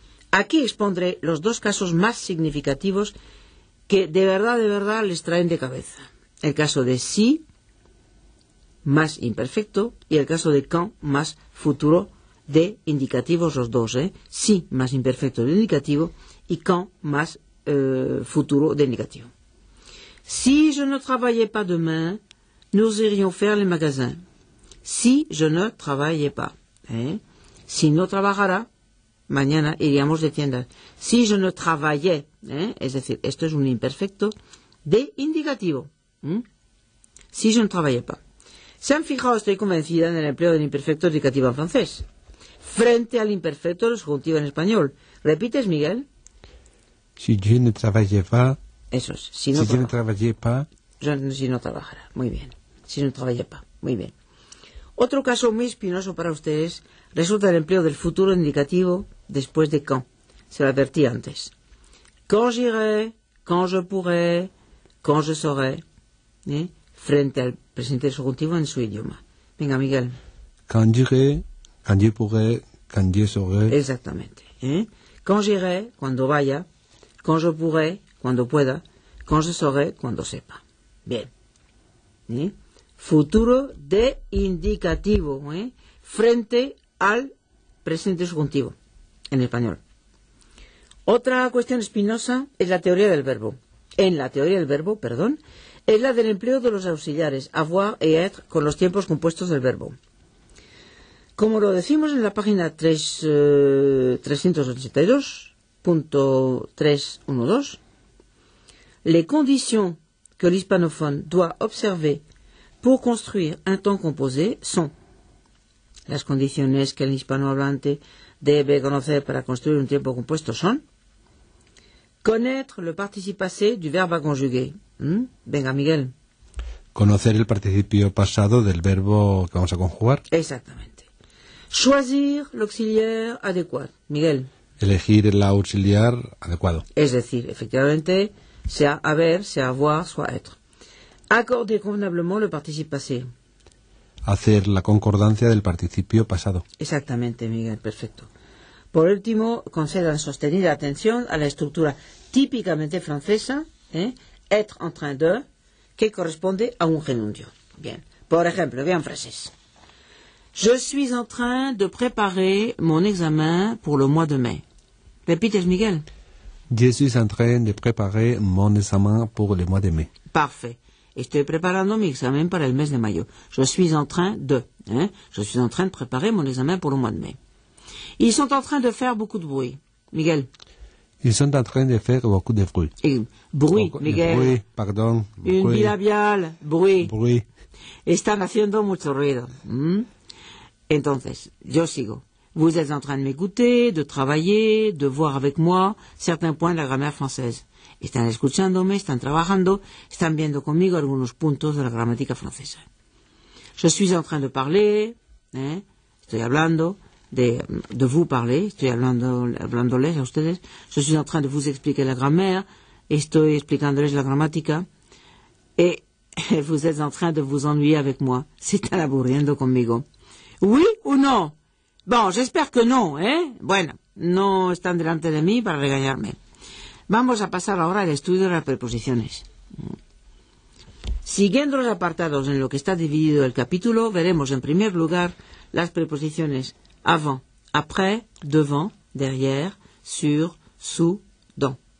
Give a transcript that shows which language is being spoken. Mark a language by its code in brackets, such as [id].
[es] Aquí expondré los dos casos más significativos que de verdad les traen de cabeza. El caso de si, más imperfecto, y el caso de quand, más futuro de indicativos, los dos, Si, más imperfecto de indicativo, y quand, más futuro de indicativo. [fr] Si je ne travaillais pas demain, nous irions faire les magasins. Si je ne travaillais pas. [es] Si no trabajara, mañana iríamos de tiendas. [fr] Si je ne travaillais, [es] es decir, esto es un imperfecto de indicativo. [fr] Si je ne travaillais pas. [es] ¿Se han fijado, estoy convencida, en el empleo del imperfecto indicativo en francés frente al imperfecto del subjuntivo en español? ¿Repites, Miguel? [fr] Si je ne travaillais pas. [es] Eso es. Si, no [fr] si je ne travaillais pas. [es] Si no trabajara. Muy bien. Si no [fr] travaillais pas. [es] Muy bien. Otro caso muy espinoso para ustedes resulta el empleo del futuro indicativo después de quand. Se lo advertí antes. [fr] Quand j'irai, quand je pourrai, quand je saurai. [es] Frente al presente subjuntivo en su idioma. Venga, Miguel. [fr] Quand j'irai, quand je pourrai, quand je saurai. [es] Exactamente. [fr] Quand j'irai, [es] cuando vaya. [fr] Quand je pourrai, [es] cuando pueda. [fr] Quand je saurai, [es] cuando sepa. Bien. Futuro de indicativo, frente al presente subjuntivo en español. Otra cuestión espinosa es la teoría del verbo. En la teoría del verbo, perdón, es la del empleo de los auxiliares, avoir y être, con los tiempos compuestos del verbo. Como lo decimos en la página 382.312, [fr] les conditions que l'hispanophone doit observer pour construire un temps composé sont [es] las condiciones que el hispanohablante debe conocer para construir un tiempo compuesto son [fr] connaître le participe passé du verbe à conjuguer. [es] Venga, Miguel. Conocer el participio pasado del verbo que vamos a conjugar. Exactamente. [fr] Choisir l'auxiliaire adéquat. [es] Miguel. Elegir el auxiliar adecuado. Es decir, efectivamente, sea haber, sea avoir, [fr] soit être. Accorder convenablement le participe passé. [es] Hacer la concordancia del participio pasado. Exactamente, Miguel, perfecto. Por último, concedan sostenida atención a la estructura típicamente francesa, être en train de, que corresponde a un gerundio. Bien, por ejemplo, bien francés. [fr] Je suis en train de préparer mon examen pour le mois de mai. [es] Repites, Miguel. [fr] Je suis en train de préparer mon examen pour le mois de mai. Parfait. [es] Estoy preparando mi examen para el mes de mayo. [fr] Je suis en train de. Je suis en train de préparer mon examen pour le mois de mai. Ils sont en train de faire beaucoup de bruit. [es] Miguel. [fr] Ils sont en train de faire beaucoup de bruit. Bruit, Miguel. Bruit, pardon. Une bilabiale. Bruit. Bruit. [es] Están haciendo mucho ruido. Entonces, yo sigo. [fr] Vous êtes en train de m'écouter, de travailler, de voir avec moi certains points de la grammaire française. [es] Están escuchándome, están trabajando, están viendo conmigo algunos puntos de la gramática francesa. [fr] Je suis en train de parler, [es] estoy hablando [fr] de vous parler, [es] estoy hablándoles a ustedes. [fr] Je suis en train de vous expliquer la grammaire, [es] estoy explicándoles la gramática. [fr] Et vous êtes en train de vous ennuyer avec moi, [es] se están aburriendo conmigo. [fr] ¿Oui ou non? Bon, j'espère que non, [es] Bueno, no están delante de mí para regañarme. Vamos a pasar ahora al estudio de las preposiciones. Siguiendo los apartados en lo que está dividido el capítulo, veremos en primer lugar las preposiciones avant, après, devant, derrière, sur, sous, dans.